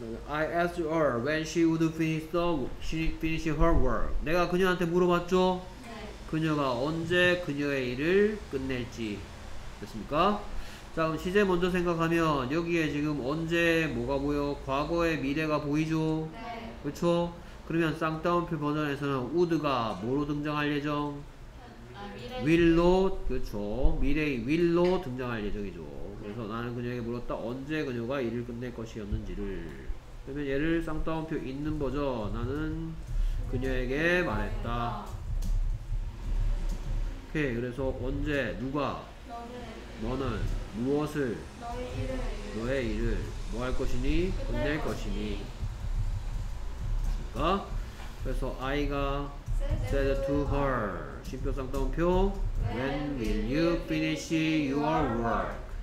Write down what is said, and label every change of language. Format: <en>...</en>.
<en>I asked her when she would finish her work.</en> <ko>내가 그녀한테 물어봤죠? 그녀가 언제 그녀의 일을 끝낼지. 됐습니까? 자 그럼 시제 먼저 생각하면 여기에 지금 언제 뭐가 보여? 과거의 미래가 보이죠? 네. 그렇죠? 그러면 쌍따옴표 버전에서는 would가 뭐로 등장할 예정? will로. 그렇죠. 미래의 will로 등장할 예정이죠. 그래서 나는 그녀에게 물었다. 언제 그녀가 일을 끝낼 것이었는지를. 그러면 얘를 쌍따옴표 있는 버전. 나는 그녀에게 말했다. 오케이. 그래서 언제 누가 너는 무엇을 너의 일을 뭐 할 것이니 끝낼 것이니. 그러니까 그래서 아이가</ko> <en>said to her</en> <ko>심표 쌍따옴표</ko> <en>when will you finish your work.</en>